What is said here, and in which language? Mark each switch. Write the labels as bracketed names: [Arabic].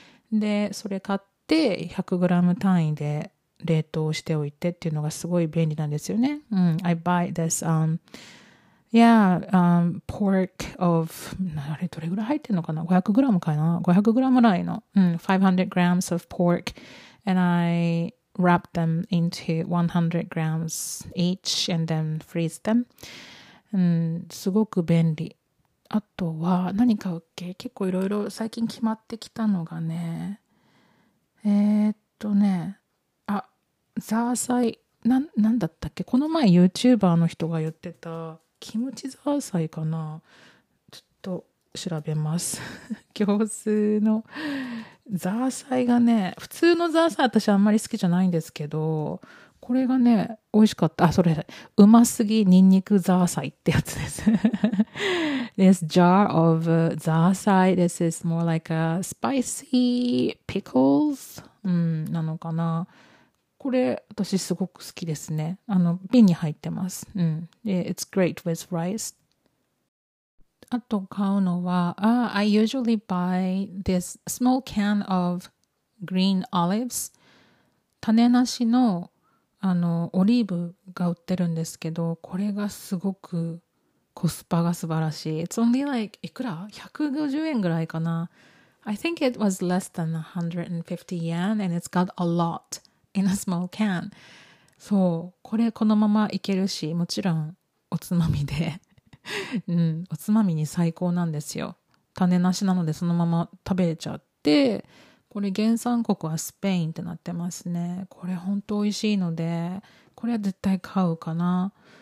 [Japanese] で、それ買って 100g 単位で冷凍しておいてっていうのがすごい便利なんですよね、うん、 [English] I buy this Yeah, pork of, [Japanese] あれどれぐらい入ってるのかな ?500 グラムかな ?500 グラムぐらいの。 [English] うん、500 grams of pork. And I wrap them into 100 grams each and then freeze them. [Japanese] うん、すごく便利。あとは、何買うっけ? 結構いろいろ最近決まってきたのがね。ね。あ、ザーサイ。なんだったっけ?この前 YouTuber の人が言ってた。キムチザーサイかな、ちょっと調べます。行数のザーサイがね、普通のザーサイ私あんまり好きじゃないんですけど、これがね、美味しかった。あ、それ、うますぎニンニクザーサイってやつです。 [English] This jar of ザーサイ、this is more like a spicy pickles、 [Japanese] うん、なのかな。これ、私すごく好きですね。あの、瓶に入ってます。うん。 [English] It's great with rice. あと買うのは、I usually buy this small can of green olives. [Japanese] 種なしのあのオリーブが売ってるんですけど、これがすごくコスパが素晴らしい。 [English] It's only like [Japanese] いくら150円ぐらいかな。 [English] I think it was less than 150 yen and it's got a lot in a small can. [Japanese] そう、これこのままいけるし、もちろんおつまみで、うん、おつまみに最高なんですよ。種なしなのでそのまま食べれちゃって。これ原産国はスペインってなってますね。これ本当美味しいので、これは絶対買うかな。